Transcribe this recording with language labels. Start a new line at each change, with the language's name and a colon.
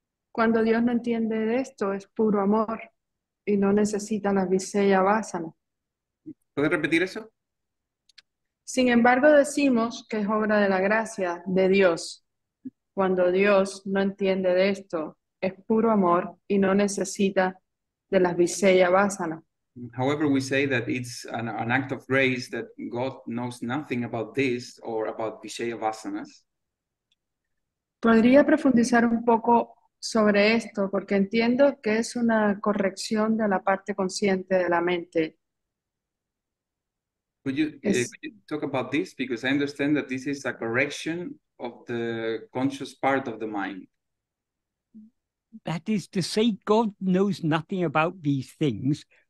Spanish: Cuando Dios no entiende de esto, es puro amor y no necesita la viseya vasana. ¿Puedes repetir eso? Sin embargo, decimos que es obra de la gracia de Dios. Cuando Dios no entiende de esto, es puro amor y no necesita de las viseya vasana.
English: However, we say that it's an act of grace that God knows nothing about this or about viseya vasanas.
Spanish: Podría profundizar un poco sobre esto porque entiendo que es una corrección de la parte consciente de la mente.
English: Could you talk about this? Because I understand that this is a correction of the conscious part of the mind. That is to say, God knows nothing about these things.